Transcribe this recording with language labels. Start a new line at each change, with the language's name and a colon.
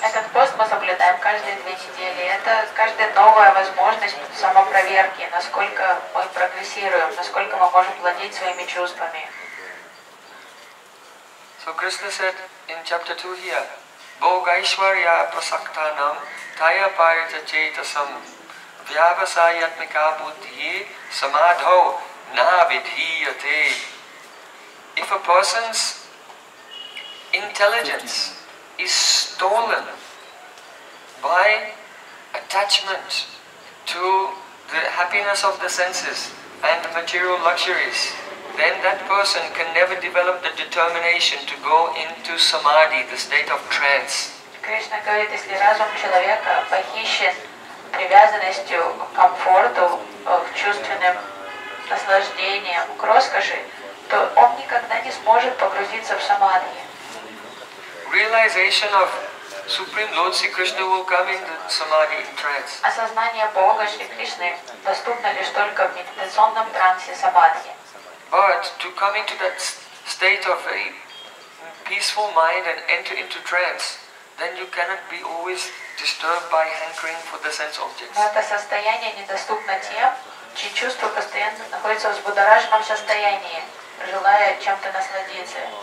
Russian: Этот пост мы соблюдаем каждые 2 недели. Это каждая новая возможность самопроверки, насколько мы прогрессируем, насколько мы можем владеть своими чувствами.
English: So Krishna said in chapter 2 here,
Sanskrit: Bhogaishwarya prasaktanam taya parita chetasam vyavasayatmika buddhi samadho na vidhiyate.
English: If a person's intelligence is stolen by attachment to the happiness of the senses and the material luxuries, then that person can never develop the determination to go into samadhi, the state of trance.
Russian: Krishna говорит, если разум человека похищен привязанностью к комфорту, к чувственным наслаждениям, к роскоши, то он никогда не сможет погрузиться в самадхи.
English: Realization of Supreme Lord Sri Krishna will come in the samadhi trance.
Russian: Осознание Бога Шри Кришны доступно лишь только в медитационном трансе самадхи.
English: But to come into that state of a peaceful mind and enter into trance, then you cannot be always disturbed by hankering for the sense objects.
Russian: Это состояние недоступно тем, чьи чувства постоянно находятся в взбудораженном состоянии, желая чем-то насладиться.